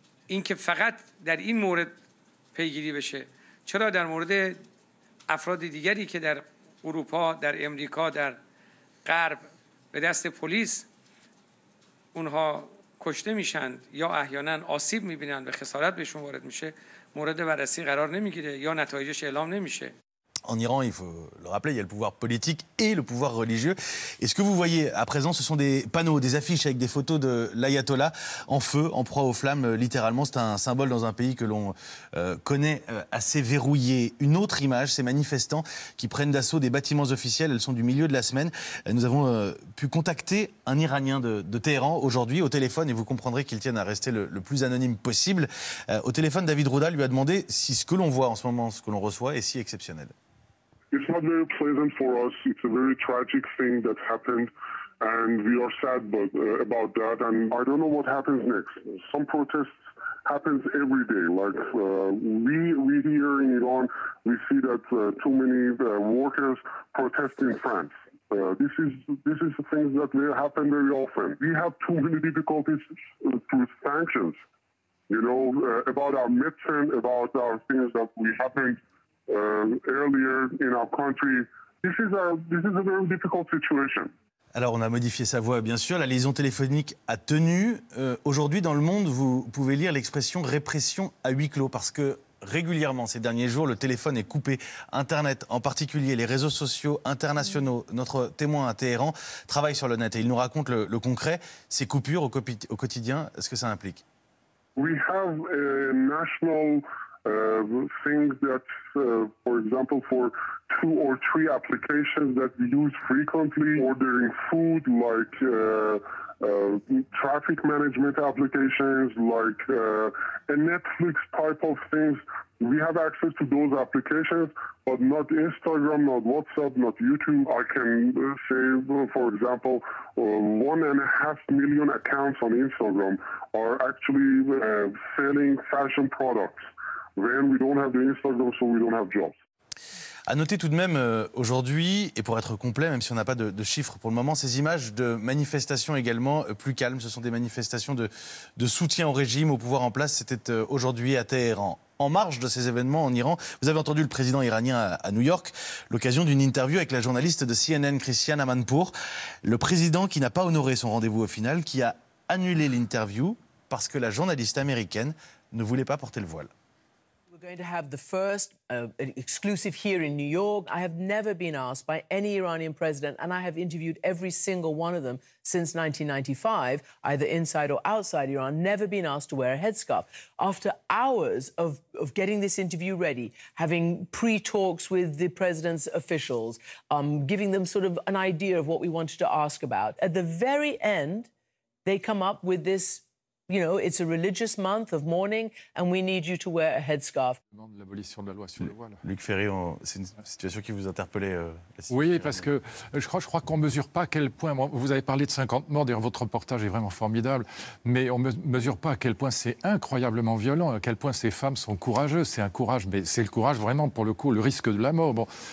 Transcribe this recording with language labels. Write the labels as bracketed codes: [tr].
[fa] این که فقط در این مورد پیگیری بشه چرا در مورد افراد دیگری که در اروپا در امریکا در غرب به دست پلیس اونها کشته میشند یا احیانا آسیب میبینند و خسارت بهشون وارد میشه مورد بررسی قرار نمیگیره یا نتایجش اعلام نمیشه [fr] En Iran, il faut le rappeler, il y a le pouvoir politique et le pouvoir religieux. Et ce que vous voyez à présent, ce sont des panneaux, des affiches avec des photos de l'ayatollah en feu, en proie aux flammes, littéralement. C'est un symbole dans un pays que l'on connaît assez verrouillé. Une autre image, ces manifestants qui prennent d'assaut des bâtiments officiels. Elles sont du milieu de la semaine. Nous avons pu contacter un Iranien de Téhéran aujourd'hui au téléphone. Et vous comprendrez qu'il tienne à rester le plus anonyme possible. Au téléphone, David Rouda lui a demandé si ce que l'on voit en ce moment, ce que l'on reçoit, est si exceptionnel. [en] It's not very pleasant for us. It's a very tragic thing that happened, and we are sad about that. And I don't know what happens next. Some protests happen every day. Like we here in Iran, we see that too many workers protest in France. This is the things that happen very often. We have too many difficulties through sanctions. You know, about our medicine, about our things that we happen. Earlier in our country, this is a very difficult situation. [fr] Alors, on a modifié sa voix, bien sûr. La liaison téléphonique a tenu. Aujourd'hui, dans le monde, vous pouvez lire l'expression « répression à huis clos » parce que régulièrement ces derniers jours. Le téléphone est coupé, Internet en particulier, les réseaux sociaux internationaux. Notre témoin à Téhéran travaille sur le net et il nous raconte le concret, ces coupures au quotidien, ce que ça implique. [en] We have a national thing that, for example, for two or three applications that we use frequently, ordering food, like traffic management applications, like a Netflix type of things. We have access to those applications, but not Instagram, not WhatsApp, not YouTube. I can say, for example, 1.5 million accounts on Instagram are actually selling fashion products. When we don't have the Instagram, so we don't have jobs. [fr] À noter tout de même aujourd'hui, et pour être complet, même si on n'a pas de chiffres pour le moment, ces images de manifestations également plus calmes. Ce sont des manifestations de soutien au régime, au pouvoir en place. C'était aujourd'hui à Téhéran. En marge de ces événements en Iran, vous avez entendu le président iranien à New York, l'occasion d'une interview avec la journaliste de CNN, Christiane Amanpour. Le président qui n'a pas honoré son rendez-vous au final, qui a annulé l'interview parce que la journaliste américaine ne voulait pas porter le voile. [en] We're going to have the first exclusive here in New York. I have never been asked by any Iranian president, and I have interviewed every single one of them since 1995, either inside or outside Iran, never been asked to wear a headscarf. After hours of getting this interview ready, having pre-talks with the president's officials, giving them sort of an idea of what we wanted to ask about, at the very end, they come up with this. You know, it's a religious month of mourning, and we need you to wear a headscarf. [fr] L'abolition de la loi sur le voile. Luc Ferry, c'est une situation qui vous interpellait. Oui, parce que je crois qu'on mesure pas à quel point. Vous avez parlé de 50 morts. D'ailleurs, votre reportage est vraiment formidable. Mais on mesure pas à quel point c'est incroyablement violent. À quel point ces femmes sont courageuses. C'est un courage, mais c'est le courage vraiment pour le coup, le risque de la mort. Bon.